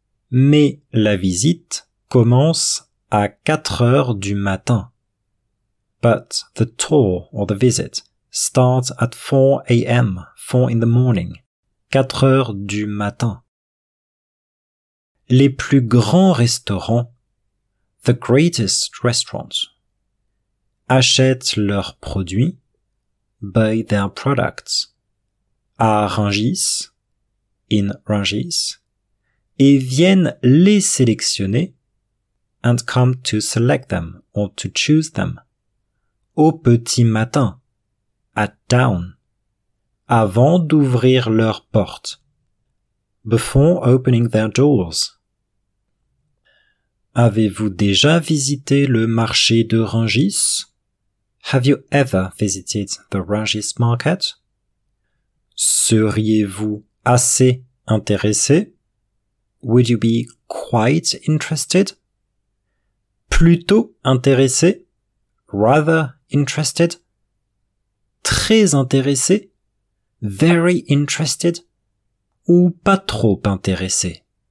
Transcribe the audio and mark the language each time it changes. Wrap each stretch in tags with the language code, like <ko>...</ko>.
<fr>Mais la visite commence à 4h du matin.</fr> <en>But the tour or the visit starts at 4 a.m. 4 in the morning.</en> <fr>4h du matin. Les plus grands restaurants,</fr> <en>the greatest restaurants,</en> <fr>achètent leurs produits,</fr> <en>buy their products,</en> <fr>à Rungis,</fr> <en>in Rungis,</en> <fr>et viennent les sélectionner,</fr> <en>and come to select them or to choose them,</en> <fr>au petit matin,</fr> <en>at dawn,</en> <fr>avant d'ouvrir leurs portes,</fr> <en>before opening their doors.</en> <fr>Avez-vous déjà visité le marché de Rungis?</fr> <en>Have you ever visited the Rungis market?</en> <fr>Seriez-vous assez intéressé?</fr> <en>Would you be quite interested?</en> <fr>Plutôt intéressé?</fr> <en>Rather interested?</en> <fr>Très intéressé?</fr> <en>Very interested?</en> <fr>Ou pas trop intéressé?</fr>